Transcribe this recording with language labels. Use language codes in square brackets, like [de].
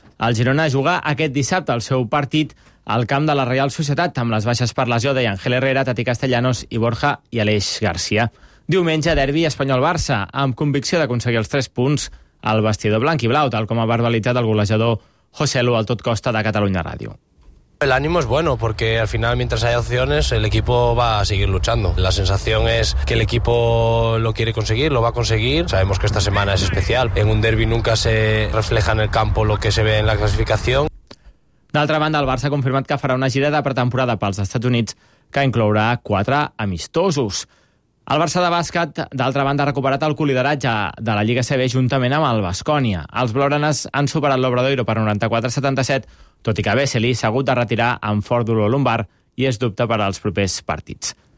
[ca] El Girona juga aquest dissabte el seu partit al camp de la Real Societat amb les baixes per lesió de Ángel Herrera, Tati Castellanos i Borja i Aleix García. Diumenge, derbi Espanyol-Barça, amb convicció d'aconseguir els 3 punts al vestidor blanc i blau, tal com ha verbalitzat el golejador José Lu al Tot Costa de Catalunya Ràdio. [es] El ánimo es bueno porque al final mientras haya opciones el equipo va a seguir luchando. La sensación es que el equipo lo quiere conseguir, lo va a conseguir. Sabemos que esta semana es especial. En un derbi nunca se refleja en el campo lo que se ve en la clasificación. [ca] D'altra banda, el Barça ha confirmat que farà una gira de pretemporada pels Estats Units que inclourà 4 amistosos. El Barça de bàsquet, d'altra banda, ha recuperat el colideratge de la Lliga CB juntament amb el Baskonia. Els blaugranes han superat l'Obradoiro per 94-77, tot i que Vesely s'ha hagut de retirar amb fort dolor lumbar i és dubte per als propers partits.